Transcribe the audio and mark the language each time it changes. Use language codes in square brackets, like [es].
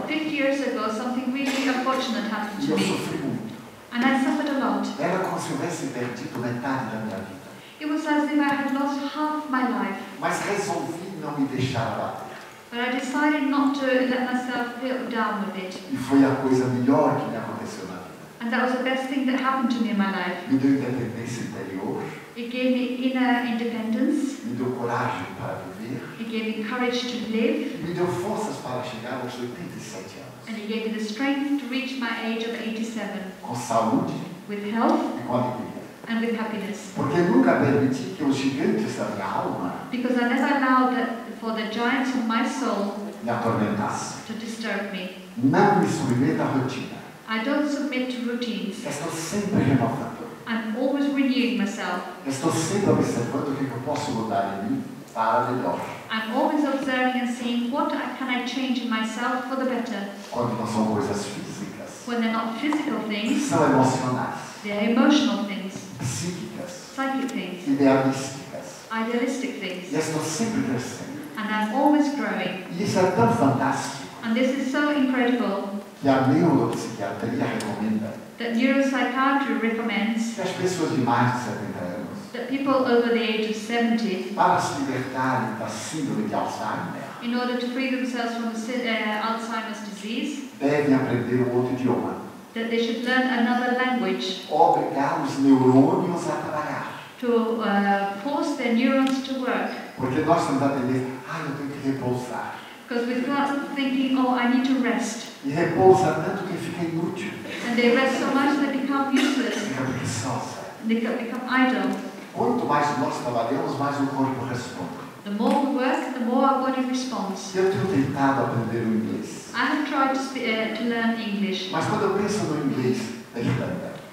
[en] 50 years ago, something really unfortunate happened to me. [pt] Eu sofri muito. [en] And I suffered a lot. [pt] Era como se tivesse perdido metade da minha vida. [en] It was as if I had lost half my life. [pt] Mas resolvi não me deixar abater. [en] But I decided not to let myself feel down with it. [pt] E foi a coisa melhor que me aconteceu na vida. [en] And that was the best thing that happened to me in my life. [pt] Me deu independência interior. [en] It gave me inner independence. [pt] Me deu coragem para viver. [en] It gave me courage to live. [pt] Me deu forças para chegar aos 87 anos. [en] And it gave me the strength to reach my age of 87. [pt] Com saúde. [en] With health. [pt] E com alegria. [en] And with happiness. [pt] Porque nunca permiti que os gigantes da minha alma. [en] Because I never allowed for the giants of my soul. [pt] Me atormentasse. [en] To disturb me. [pt] Não me submeto à rotina. [en] I don't submit to routines. [pt] Estou sempre renovando. [en] I'm always renewing myself. [pt] Estou sempre observando o que eu posso mudar em mim para melhor. [en] I'm always observing and seeing what can I change in myself for the better. [pt] Quando não são coisas físicas. [en] When they're not physical things. [pt] São emocionais. [en] They're emotional things. [pt] Psíquicas. [en] Psychic things. [pt] Idealísticas. [en] Idealistic things. [pt] E estou sempre crescendo. [en] And I'm always growing. [pt] E isso é tão fantástico. [en] And this is so incredible. [pt] Que a neuropsiquiatria recomenda. [en] That neuropsychiatry recommends [pt] que as pessoas de mais de 70 anos, [en] that people over the age of 70, [pt] para se libertarem da síndrome de Alzheimer, [en] in order to free themselves from Alzheimer's disease, [pt] devem aprender um outro idioma, [en] that they should learn another language, [pt] obrigar os neurônios a trabalhar, [en] to force their neurons to work, [pt] porque nós temos a tendência, eu tenho que repousar. [en] Because with God thinking, oh, I need to rest. [pt] E repousa tanto que fica inútil. [en] And they rest so much they become useless. They become idle. [pt] Quanto mais nós trabalhamos, mais o corpo responde. [en] The more we work, the more our body responds. [pt] Eu tenho tentado aprender o inglês. [en] I have tried to learn English. [pt] Mas quando eu penso no inglês da Irlanda.